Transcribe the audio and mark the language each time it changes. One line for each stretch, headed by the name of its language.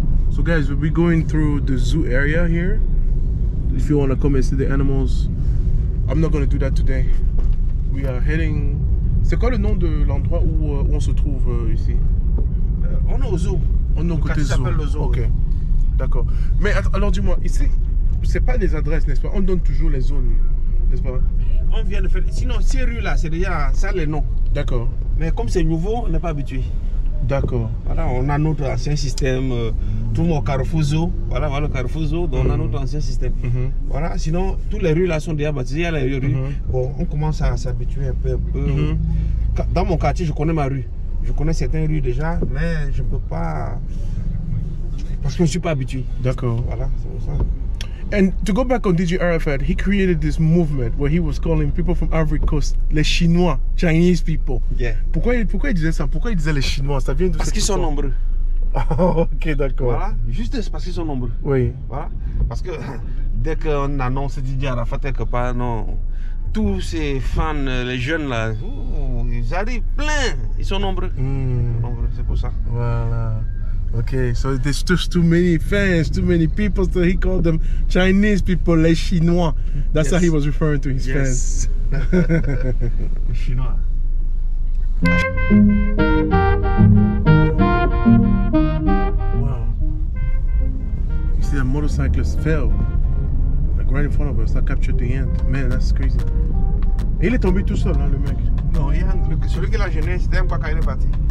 English: So, guys, we'll be going through the zoo area here. If you want to come and see the animals, I'm not going to do that today. We are heading...
French: C'est quoi le nom de l'endroit où on se trouve ici? On est au zoo. On est au côté zoo. Le zoo. Ok. D'accord. Mais alors dis-moi, ici, c'est pas des adresses, n'est-ce pas? On donne toujours les zones, n'est-ce pas? On vient de faire. Sinon, ces rues-là, c'est déjà ça les noms. D'accord. Mais comme c'est nouveau, on n'est pas habitué. D'accord. Voilà, on a notre ancien système. Tout le monde au carrefour zoo. Voilà le carrefour zoo. Donc, on a notre ancien système. Mm-hmm. Voilà, sinon, toutes les rues-là sont déjà baptisées. Il y a les rues. Mm-hmm. Bon, on commence à s'habituer un peu. Mm-hmm. Dans mon quartier, je connais ma rue. Je connais certaines rues déjà, mais je ne peux pas, parce que je ne suis pas habitué. D'accord. Voilà, c'est pour ça.
English: And to go back on DJ Arafat, he created this movement where he was calling people from Ivory Coast
French: les Chinois,
English: Chinese people. Yeah.
French: Pourquoi il disait ça? Pourquoi il disait les Chinois? Ça vient de parce qu'ils sont nombreux. Ok, d'accord. Voilà, juste parce qu'ils sont nombreux. Oui. Voilà, parce que dès qu'on annonce DJ Arafat quelque part, non... Tous ces fans, les jeunes là, ils arrivent plein, ils sont nombreux. Nombreux, c'est pour ça. Voilà.
English: Ok, so there's just too many fans, too many people, so he called them Chinese people,
French: les Chinois.
English: That's how he was referring to his fans.
French: Les Chinois.
English: Wow. You see, the motorcyclist fell. Like right in front of us, I captured the end. Man, that's crazy.
French: Et il est tombé tout seul, hein, le mec. Non, il y a celui qui l'a gêné, c'était un quoi quand il est parti.